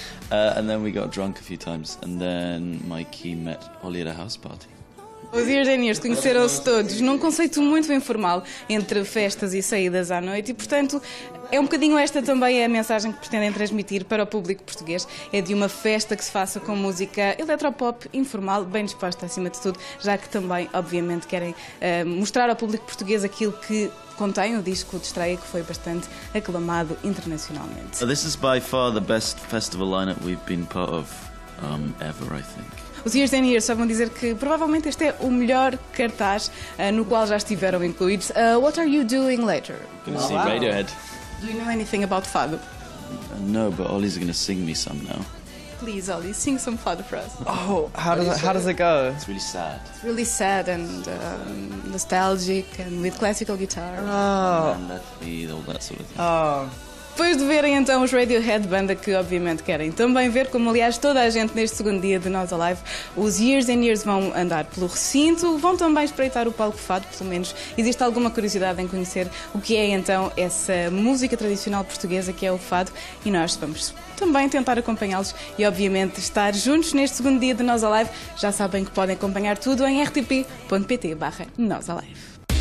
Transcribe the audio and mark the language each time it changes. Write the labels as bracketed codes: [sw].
[en] And then we got drunk a few times, and then Mikey met Ollie at a house party. [pt] Os Ears and Ears conheceram-se todos num conceito muito informal entre festas e saídas à noite e, portanto, é um bocadinho esta também a mensagem que pretendem transmitir para o público português. É de uma festa que se faça com música eletropop, informal, bem disposta acima de tudo, já que também, obviamente, querem mostrar ao público português aquilo que contém o disco de estreia, que foi bastante aclamado internacionalmente. [en] This is by far the best festival lineup we've been part of ever, I think. [pt] Os Ears and Ears só vão dizer que provavelmente este é o melhor cartaz no qual já estiveram incluídos. [en] What are you doing later? Going to see Radiohead. Do you know anything about Fado? No, but Ollie's going to sing me some now. Please, Ollie, sing some Fado for us. Oh, how does it go? It's really sad. It's really sad and nostalgic and with classical guitar. Oh. And that, all that sort of thing. Oh. [pt] Depois de verem então os Radiohead, banda que obviamente querem também ver, como aliás toda a gente neste segundo dia de Nós Alive, os Ears and Ears vão andar pelo recinto, vão também espreitar o palco Fado, pelo menos existe alguma curiosidade em conhecer o que é então essa música tradicional portuguesa que é o Fado, e nós vamos também tentar acompanhá-los e obviamente estar juntos neste segundo dia de Nós Alive. Já sabem que podem acompanhar tudo em rtp.pt/nosalive.